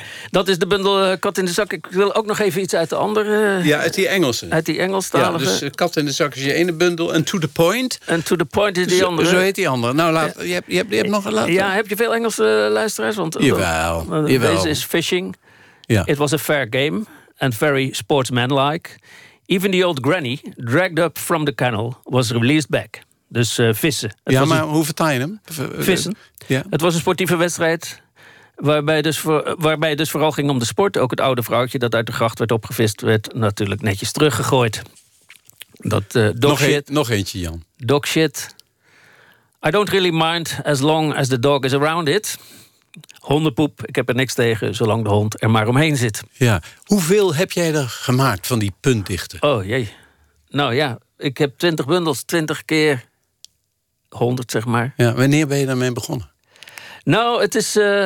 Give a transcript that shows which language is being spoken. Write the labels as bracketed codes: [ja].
[nl] Dat is de bundel Kat in de zak. Ik wil ook nog even iets uit de andere... Ja, uit die Engelse. Uit die Engelstalige. Ja, dus Kat in de zak is je ene bundel. En To the Point. En To the Point is die andere. Zo heet die andere. Nou, je hebt nog een laatste. Ja, heb je veel Engelse luisteraars? Jawel. Deze is Fishing. [en] Yeah. It was a fair game and very sportsmanlike. Even the old granny, dragged up from the kennel, was released back. [nl] Dus vissen. Hoe vertaal je hem? Vissen. Het was een sportieve wedstrijd waarbij het vooral ging om de sport. Ook het oude vrouwtje dat uit de gracht werd opgevist werd natuurlijk netjes teruggegooid. Dat Nog eentje, Jan. [en] Dog shit. I don't really mind as long as the dog is around it. [nl] Hondenpoep, ik heb er niks tegen, zolang de hond er maar omheen zit. Ja, hoeveel heb jij er gemaakt van die puntdichten? Oh jee. Nou ja, ik heb 20 bundels, 20 keer 100, zeg maar. Ja, wanneer ben je daarmee begonnen? Nou, het is.